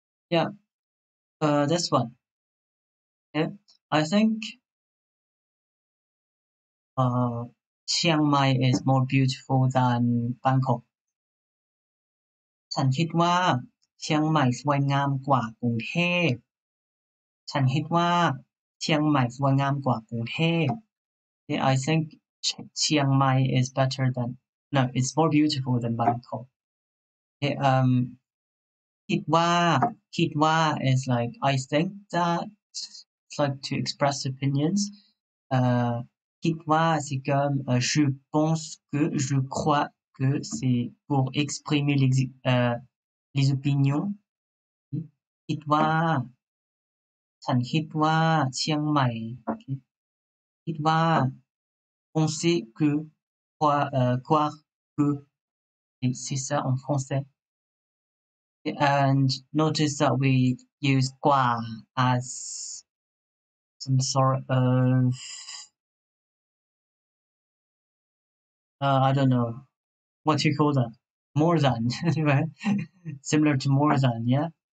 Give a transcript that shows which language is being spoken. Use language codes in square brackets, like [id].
[en] Yeah, this one. Okay. I think Chiang Mai is more beautiful than Bangkok. [th] ฉันคิดว่าเชียงใหม่สวยงามกว่ากรุงเทพ [en] ฉันคิดว่าเชียงใหม่สวยงามกว่ากรุงเทพ Okay, I think Chiang Mai is better than, no, it's more beautiful than Bangkok. Okay, คิดว่า is like I think that it's like to express opinions. [fr] คิดว่า c'est comme je pense que je crois que c'est pour exprimer les opinions. คิดว่า [th] ฉันคิดว่า เชียงใหม่ [fr] คิดว่า penser que croire que c'est ça en français. [en] And notice that we use quoi as some sort of, I don't know, what do you call that? More than, right? Similar to more than, yeah?